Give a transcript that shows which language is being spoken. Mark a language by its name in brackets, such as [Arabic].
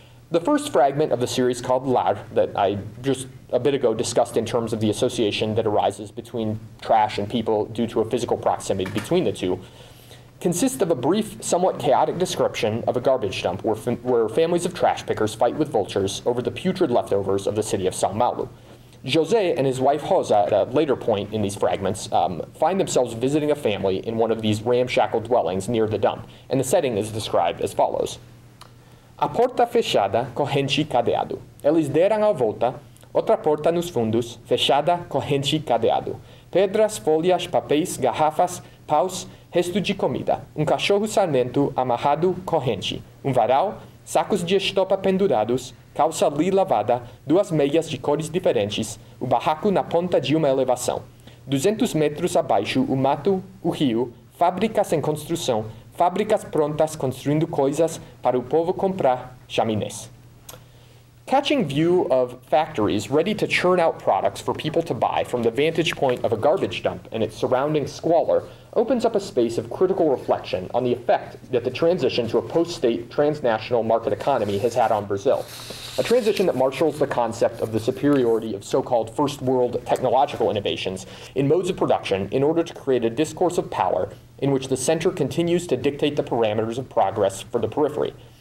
[English] The first fragment of the series called Lar that I just a bit ago discussed in terms of the association that arises between trash and people due to a physical proximity between the two consists of a brief, somewhat chaotic description of a garbage dump where families of trash pickers fight with vultures over the putrid leftovers of the city of São Paulo. José and his wife Rosa, at a later point in these fragments, find themselves visiting a family in one of these ramshackle dwellings near the dump, and the setting is described as follows. [Portuguese] A porta fechada, corrente cadeado. Eles deram a volta, outra porta nos fundos, fechada, corrente cadeado. Pedras, folhas, papéis, garrafas, paus, resto de comida. Cachorro sarmento, amarrado, corrente. Varal, sacos de estopa pendurados, calça li lavada, duas meias de cores diferentes, barraco na ponta de uma elevação. 200 metros abaixo, mato, rio, fábricas em construção, fábricas prontas construindo coisas para o povo comprar chaminés. [English] Catching view of factories ready to churn out products for people to buy from the vantage point of a garbage dump and its surrounding squalor opens up a space of critical reflection on the effect that the transition to a post-state transnational market economy has had on Brazil, a transition that marshals the concept of the superiority of so-called first world technological innovations in modes of production in order to create a discourse of power in which the center continues to dictate the parameters of progress for the periphery.